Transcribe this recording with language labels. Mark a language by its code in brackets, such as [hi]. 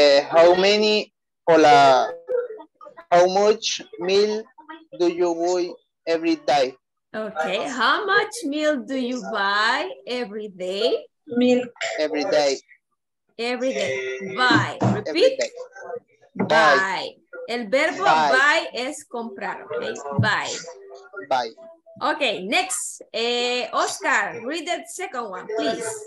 [en] How much meal do you buy every day? Okay, how much meal do you buy every day? Milk. Every day. Every day. Buy. Repeat. [es] Buy. El verbo buy es comprar, ¿ok? Buy. [en] Buy. Okay, next, Oscar, read the second one, please.